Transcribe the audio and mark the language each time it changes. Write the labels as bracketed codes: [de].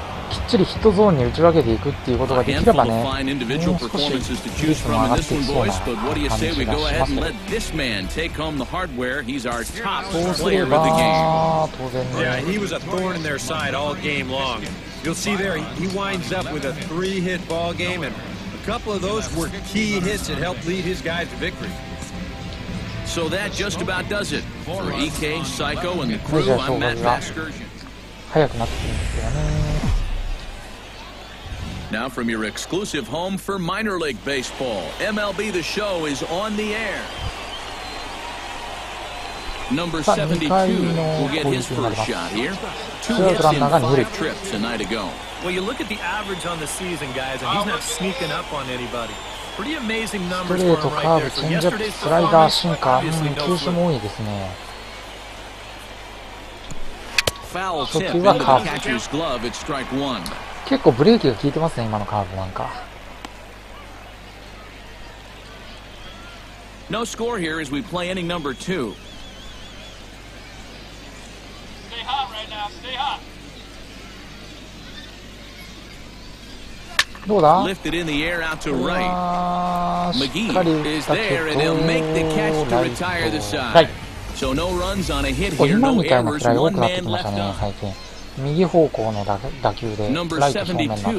[ja] きっちりヒットゾーンに打ち分けていくっていうことができればね、もう少しリズム上がっていきそうな感じがしますね。そうすれば当然ね。 [en] You'll see there, he winds up with a three-hit ball game, and a couple of those were key hits that helped lead his guys to victory. So that just about does it. For EK, Psycho, and the crew, I'm Matt Vaskersian. Now from your exclusive home for Minor League Baseball, MLB The Show is on the air. Number 72 will get his first shot here. Two hits in five trips a night ago. Well, you look at the average on the season, guys, and he's not sneaking up on anybody. [ja] ストレート、カーブ、チェンジアップ、スライダー、シンカー、球種も多いですね。初球はカーブ。結構ブレーキが効いてますね、今のカーブなんか。 [en] No score here as we play inning number two. Stay hot right now. Stay hot. [ja] どうだ？ [en] Lifted in the air out to right. McGee is there and he'll make the catch to retire the side. Right. So no runs on a hit here. No errors. One man left on. [ja] 右方向の打球でライト正面の当たり。